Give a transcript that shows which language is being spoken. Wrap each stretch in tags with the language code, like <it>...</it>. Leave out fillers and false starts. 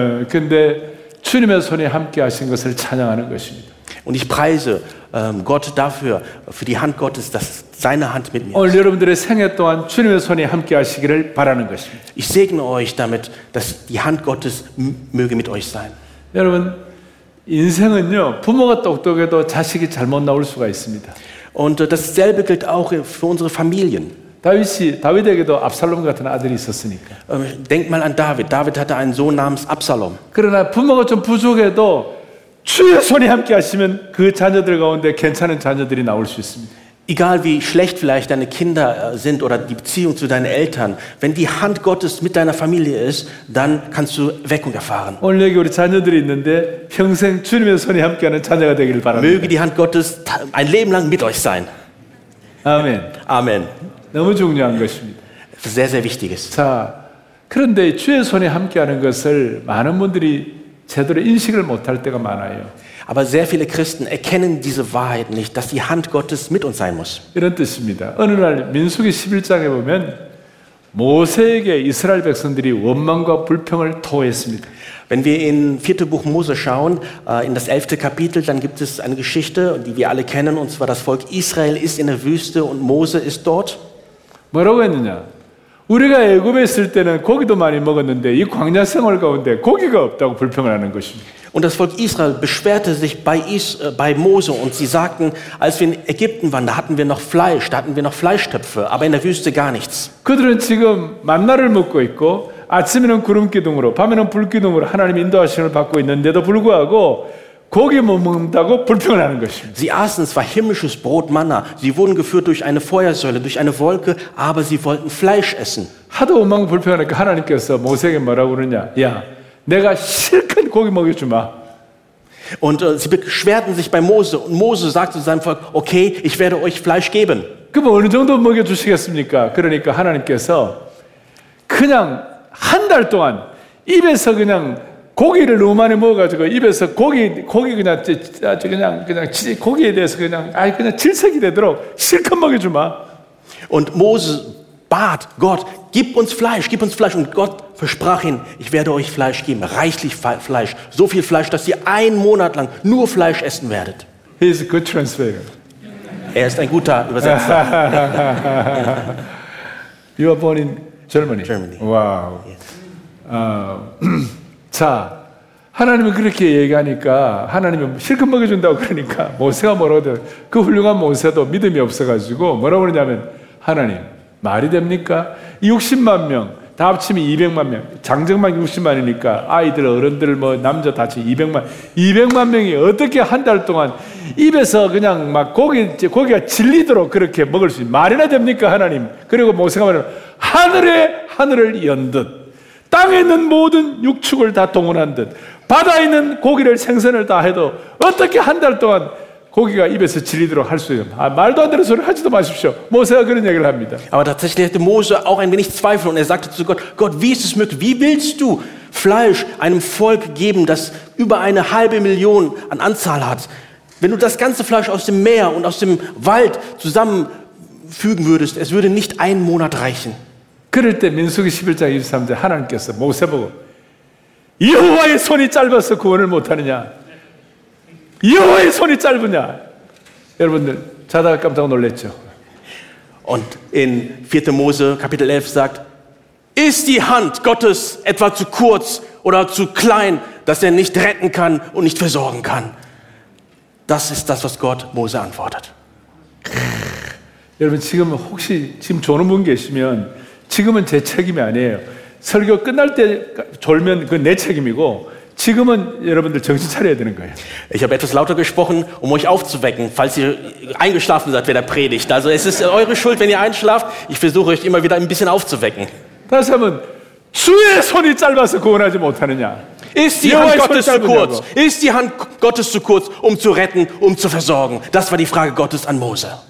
<ko>근데 주님의 손이 함께 하신 것을 찬양하는 것입니다.</ko> <de>Und ich preise Gott dafür, für die Hand Gottes, dass seine Hand mit mir ist.</de> <ko>오늘 여러분들의 생애 또한 주님의 손이 함께 하시기를 바라는 것입니다.</ko> <de>Ich segne euch damit, dass die Hand Gottes möge mit euch sein.</de> <ko>여러분, 인생은요, 부모가 똑똑해도 자식이 잘못 나올 수가 있습니다.</ko> <de>Und dasselbe gilt auch für unsere Familien.</de> <ko>다윗이 다윗에게도 압살롬 같은 아들이 있었으니까.</ko> <de>Denk mal an David. David hatte einen Sohn namens Absalom.</de> <ko>그러나 부모가 좀 부족해도 주의 손이 함께 하시면 그 자녀들 가운데 괜찮은 자녀들이 나올 수 있습니다.</ko> <de>Egal wie schlecht vielleicht deine Kinder sind oder die Beziehung zu deinen Eltern, wenn die Hand Gottes mit deiner Familie ist, dann kannst du Weckung erfahren.</de> <ko>오늘 여기 우리 자녀들이 있는데 평생 주님의 손이 함께 하는 자녀가 되기를 바랍니다.</ko> <de>Möge die Hand Gottes ein Leben lang mit euch sein.</de> <ko>아멘. 아멘. 너무 중요한 것입니다.</ko> <de>Sehr, sehr wichtiges.</de> <ko>자, 그런데 주의 손이 함께하는 것을 많은 분들이 제대로 인식을 못할 때가 많아요.</ko> <de>Aber sehr viele Christen erkennen diese Wahrheit nicht, dass die Hand Gottes mit uns sein muss.</de> <ko>이런 뜻입니다. 어느 날 민수기 11장에 보면 모세에게 이스라엘 백성들이 원망과 불평을 토했습니다.</ko> <de>Wenn wir in 4. Buch Mose schauen, in das 11. Kapitel, dann gibt es eine Geschichte, die wir alle kennen, und zwar das Volk Israel ist in der Wüste und Mose ist dort.</de> <ko>뭐라고 했느냐? 우리가 애굽에 있을 때는 고기도 많이 먹었는데 이 광야 생활 가운데 고기가 없다고 불평을 하는 것입니다.</ko> <de>Und das Volk Israel beschwerte sich bei Mose und sie sagten, als wir in Ägypten waren, da hatten wir noch Fleischtöpfe, aber in der Wüste gar nichts.</de> <ko>그들은 지금 만나를 먹고 있고 아침에는 구름 기둥으로 밤에는 불 기둥으로 하나님의 인도하심을 받고 있는데도 불구하고 고기 못 먹는다고 불평을 하는 것입니다.</ko> <de>Sie aßen zwar himmlisches Brot Manna. Sie wurden geführt durch eine Feuersäule, durch eine Wolke, aber sie wollten Fleisch essen.</de> <ko>하도 원망 불평하니까 하나님께서 모세에게 뭐라고 그러냐? 야, 내가 실컷 고기 먹여주마.</ko> <de>Und sie beschwerten sich bei Mose. Und Mose sagte zu seinem Volk, okay, ich werde euch Fleisch geben.</de> <ko>그럼 어느 정도 먹여주시겠습니까? 그러니까 하나님께서 그냥 한 달 동안 입에서 그냥 고기를 너무 많이 먹어가지고 입에서 고기 그냥 아주 그냥 고기에 대해서 그냥 아이 그냥 질색이 되도록 실컷 먹여주마.</ko> <de>Und Mose bat Gott, gib uns Fleisch. Und Gott versprach ihn, ich werde euch Fleisch geben, reichlich Fleisch, so viel Fleisch, dass ihr einen Monat lang nur Fleisch essen werdet.</de> <en>He is a good translator.</en> <de>Er ist ein guter Übersetzer.</de> <en>You are born in Germany. Germany. Wow. Yes.</en> <ko>자, 하나님이 그렇게 얘기하니까 하나님이 실컷 먹여준다고 그러니까 모세가 뭐라고 돼요? 그 훌륭한 모세도 믿음이 없어가지고 뭐라고 그러냐면 하나님 말이 됩니까? 60만 명 다 합치면 200만 명 장정만 60만이니까 아이들 어른들 뭐 남자 다 합치면 200만 명이 어떻게 한 달 동안 입에서 그냥 막 고기가 질리도록 그렇게 먹을 수 있는 말이나 됩니까 하나님? 그리고 모세가 말하는 하늘에 하늘을 연 듯 땅에 있는 모든 육축을 다 동원한 듯 바다에 있는 고기를 생선을 다 해도 어떻게 한 달 동안 고기가 입에서 질리도록 할 수 있는 아, 말도 안 되는 소리 하지도 마십시오. 모세가 그런 얘기를 합니다.</ko> <de>Aber tatsächlich hatte Mose auch ein wenig Zweifel und er sagte zu Gott, Gott, wie ist es möglich? Wie willst du Fleisch einem Volk geben, das über eine halbe Million an Anzahl hat? Wenn du das ganze Fleisch aus dem Meer und aus dem Wald zusammenfügen würdest, es würde nicht einen Monat reichen.</de> <ko>그럴 때 민수기 11장 23절 하나님께서 모세 보고 여호와의 손이 짧아서 구원을 못하느냐 여호와의 손이 짧으냐 여러분들 자다가 깜짝 놀랐죠.</ko> <de>Und in 4. Mose Kapitel 11 sagt Ist die Hand Gottes etwa zu kurz oder zu klein, dass er nicht retten kann und nicht versorgen kann? Das ist das, was Gott Mose antwortet.</de> <ko>여러분 지금 혹시 지금 조는 분 계시면 지금은 제 책임이 아니에요. 설교 끝날 때 졸면 그건 내 책임이고 지금은 여러분들 정신 차려야 되는 거예요.</ko> <de>Ich habe etwas lauter gesprochen, um euch aufzuwecken, falls ihr eingeschlafen seid während der Predigt. Also es ist eure Schuld, wenn ihr einschlaft. Ich versuche euch immer wieder ein bisschen aufzuwecken.</de> <ko>다시 한번 주의 손이 짧아서 구원하지 못하느냐?</ko> <de>Ist die Hand Gottes zu kurz? Ist die Hand Gottes zu kurz, um zu retten, um zu versorgen? Das war die Frage Gottes an Mose.</de>